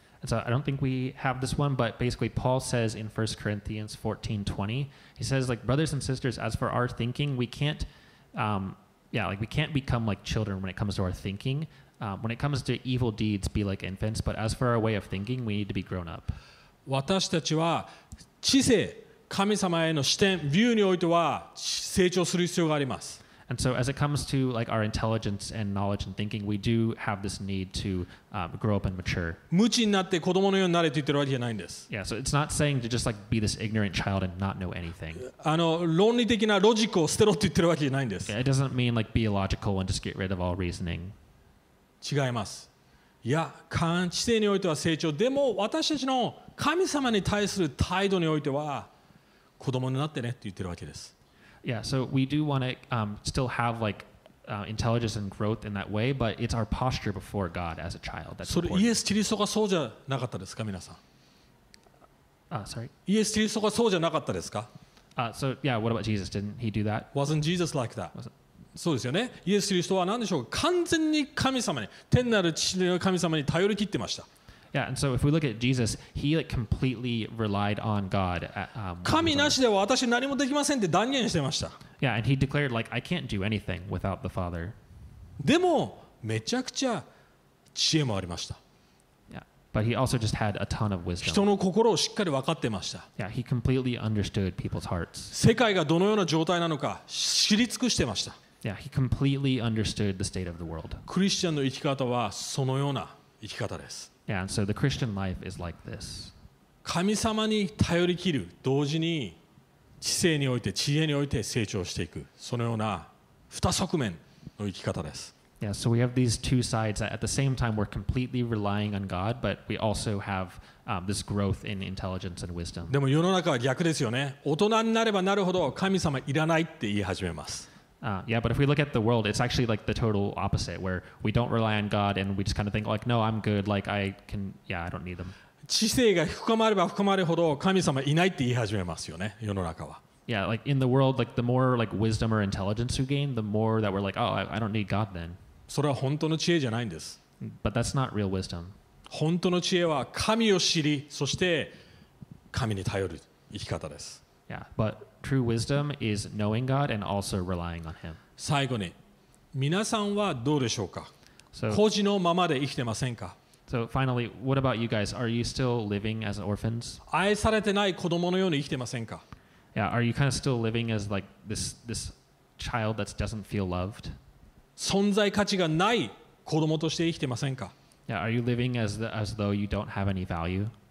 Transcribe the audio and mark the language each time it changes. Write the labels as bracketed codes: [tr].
[en] And so I don't think we have this one, but basically Paul says in 1 Corinthians 14:20, he says, like, brothers and sisters, as for our thinking, we can't, yeah, like, we can't become like children when it comes to our thinking. When it comes to evil deeds, be like infants, but as for our way of thinking, we need to be grown up. [ja] 私たちは知性、神様への視点、ビューにおいては成長する必要があります。 [en] And so as it comes to like our intelligence and knowledge and thinking, we do have this need to grow up and mature. [ja] 無知になって子供のようになれと言ってるわけじゃないんです。 [en] Yeah, so it's not saying to just like be this ignorant child and not know anything. [ja] あの、論理的なロジックを捨てろと言ってるわけじゃないんです。 [en] Yeah, it doesn't mean like be illogical and just get rid of all reasoning. [ja] 違います。いや、感知性においては成長。でも私たちの神様に対する態度においては子供になってねと言ってるわけです。 [en] Yeah, so we do want to still have like intelligence and growth in that way, but it's our posture before God as a child that's important. [ja] それイエス・キリストがそうじゃなかったですか、皆さん。 [en] Sorry. [ja] イエス・キリストがそうじゃなかったですか。 [en] So yeah, what about Jesus? Didn't he do that? Wasn't Jesus like that? [ja] そうですよね。イエス・キリストは何でしょうか。完全に神様に、天なる父の神様に頼り切ってました。 [en] Yeah, and so if we look at Jesus, he like completely relied on God. [ja] 神なしでは私何もできませんって断言してました。 [en] Yeah, and he declared like I can't do anything without the Father. [ja] でもめちゃくちゃ知恵もありました。 [en] Yeah, but he also just had a ton of wisdom. [ja] 人の心をしっかり分かってました。 [en] Yeah, he completely understood people's hearts. [ja] 世界がどのような状態なのか知り尽くしてました。 [en] Yeah, he completely understood the state of the world. [ja] クリスチャンの生き方はそのような生き方です。 [en] Yeah, and so the Christian life is like this. [ja] 神様に頼り切る同時に知性において知恵において成長していくそのような二側面の生き方です。 [en] Yeah, so we have these two sides that at the same time we're completely relying on God, but we also have this growth in intelligence and wisdom. [ja] でも世の中は逆ですよね。大人になればなるほど神様いらないって言い始めます。 [en] Yeah, but if we look at the world, it's actually like the total opposite, where we don't rely on God and we just kind of think like, no, I'm good, like I can, yeah, I don't need them. [ja] 知性が深まれば深まるほど神様いないって言い始めますよね、世の中は。 [en] Yeah, like in the world, like the more like wisdom or intelligence you gain, the more that we're like, oh, I don't need God then. [ja] それは本当の知恵じゃないんです。 [en] But that's not real wisdom. [ja] 本当の知恵は神を知り、そして神に頼る生き方です。 [en] Yeah, but true wisdom is knowing God and also relying on Him. [ja] 最後に、皆さんはどうでしょうか?So, 孤児のままで生きてませんか? [en] So finally, what about you guys? Are you still living as orphans? [ja] 愛されてない子供のように生きてませんか? [en] Yeah, are you kind of still living as like this child that doesn't feel loved? [ja] 存在価値がない子供として生きてませんか? [en] Yeah, are you living as though you don't have any value?